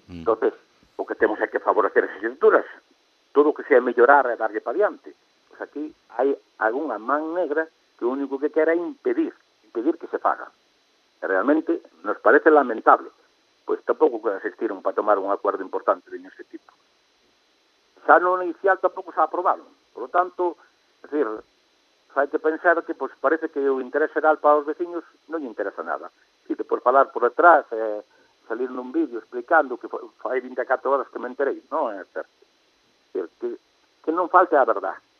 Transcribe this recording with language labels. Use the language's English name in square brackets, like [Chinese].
[Galician] Entonces, o que temos é que favorecer as estruturas. Todo o que sea mellorar e darlle para adiante. Pois aquí hai algunha man negra que o único que quere é impedir que se faga. Realmente, nos parece lamentable. [Spanish] Pues tampoco puede asistir para tomar un acuerdo importante de ese tipo. Xa no inicial tampoco se ha aprobado. Por lo tanto, es decir, hay que pensar que pues parece que el interés general para los vecinos no le interesa nada. Si te puedes hablar por detrás, salir en un vídeo explicando que hay 24 horas que me enteré, no es cierto. Que no falte la verdad.